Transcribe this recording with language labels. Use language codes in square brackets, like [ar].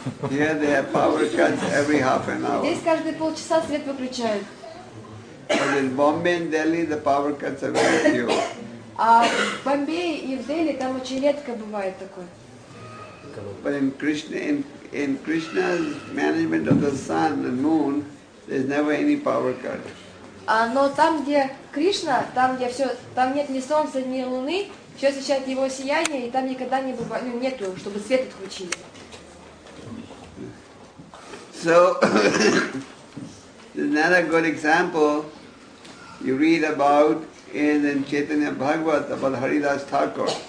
[en] Here they have power cuts every half an hour. But in Bombay and Delhi the power cuts are very few. [ru] А в Бомбее и в Дели там очень редко бывает такое. [en] But in Krishna's management of the sun and moon, there's never any power cut. [ru] Но там, где Кришна, там, где все, там нет ни солнца, ни луны, все освещает его сияние, и там никогда не бывает, ну, нету, чтобы свет отключили. [en] So, another good example you read about in Chaitanya Bhagavat about Haridas Thakur.